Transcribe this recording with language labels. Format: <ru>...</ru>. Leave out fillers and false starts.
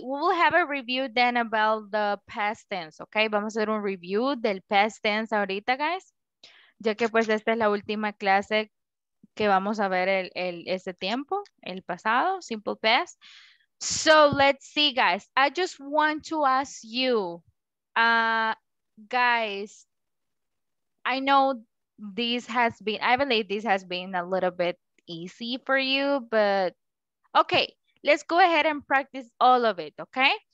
<en>We will have a review then about the past tense, okay?</en> <es>Vamos a hacer un review del past tense ahorita,</es> <en>guys.</en> <es>Ya que pues esta es la última clase que vamos a ver este tiempo, el pasado, simple past.</es> <en>So let's see, guys. I just want to ask you, guys, I know this has been, I believe this has been a little bit easy for you, but okay, let's go ahead and practice all of it, okay?</en>